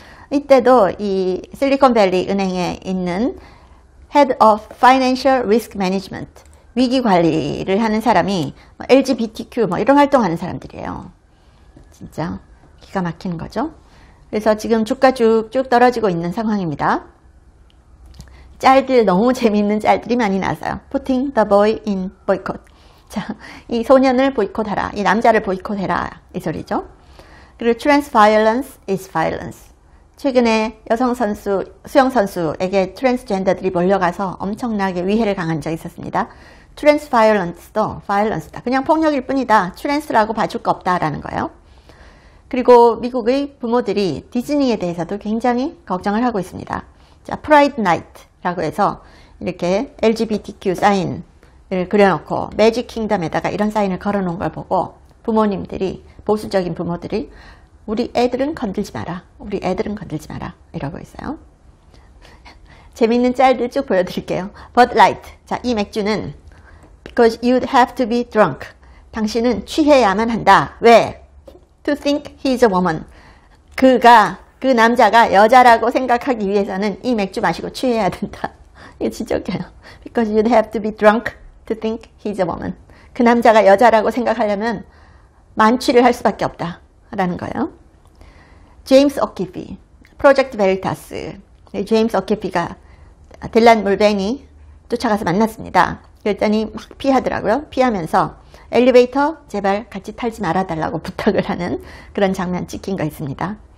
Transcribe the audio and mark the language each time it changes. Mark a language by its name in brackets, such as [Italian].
[Korean] 이때도 이 실리콘밸리 은행에 있는 [English] Head of Financial Risk Management, [Korean] 위기 관리를 하는 사람이 LGBTQ 뭐 이런 활동하는 사람들이에요. 진짜 기가 막히는 거죠. 그래서 지금 주가 쭉쭉 떨어지고 있는 상황입니다. 짤들, 너무 재미있는 짤들이 많이 나와서요. [English] Putting the boy in boycott. [Korean] 자, 이 소년을 보이콧하라. 이 남자를 보이콧해라. 이 소리죠. 그리고 [English] trans violence is violence. [Korean] 최근에 여성 선수, 수영 선수에게 트랜스젠더들이 몰려가서 엄청나게 위해를 강한 적이 있었습니다. [English] trans violence [Korean] 도 violence다. 그냥 폭력일 뿐이다. 트랜스라고 봐줄 거 없다라는 거예요. 그리고 미국의 부모들이 디즈니에 대해서도 굉장히 걱정을 하고 있습니다. 자, [English] Pride Night. [Korean] 라고 해서 이렇게 LGBTQ 사인을 그려놓고 매직 킹덤에다가 이런 사인을 걸어놓은 걸 보고 부모님들이 보수적인 부모들이 우리 애들은 건들지 마라, 우리 애들은 건들지 마라 이러고 있어요. 재밌는 짤들 쭉 보여드릴게요. [English] Bud Light, [Korean] 자, 이 맥주는 [English] because you'd have to be drunk, [Korean] 당신은 취해야만 한다. 왜? [English] To think he's a woman, [Korean] 그가 그 남자가 여자라고 생각하기 위해서는 이 맥주 마시고 취해야 된다. 이게 진짜 웃겨요. [English] Because you'd have to be drunk to think he's a woman. [Korean] 그 남자가 여자라고 생각하려면 만취를 할 수밖에 없다. 라는 거예요. James O'Keefe, Project Veritas. James O'Keefe가 딜란 물베니 쫓아가서 만났습니다. 그랬더니 막 피하더라고요. 피하면서 엘리베이터 제발 같이 탈지 말아달라고 부탁을 하는 그런 장면 찍힌 거 있습니다.